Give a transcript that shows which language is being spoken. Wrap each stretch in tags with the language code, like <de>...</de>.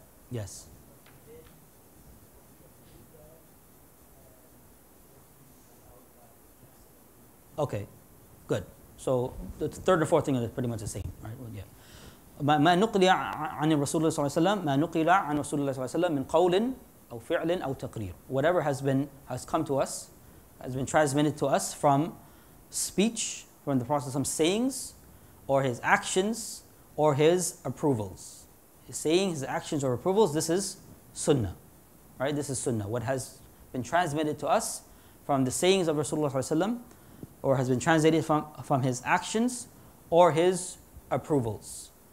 <en>Yes. Okay, good. So the third or fourth thing is pretty much the same, right? Well, yeah.</en> <ar>ما نقل عن الرسول صلى الله عليه وسلم ما نقل عن رسول الله صلى الله عليه وسلم من قول أو فعل أو تقرير.</ar> <en>Whatever has come to us, has been transmitted to us from speech, from the Prophet's sayings, or his actions, or his approvals. His sayings, his actions, or approvals. This is sunnah, right? This is sunnah. What has been transmitted to us from the sayings of Rasulullah sallallahu alaihi wasallam, or has been translated from his actions, or his approvals.</en>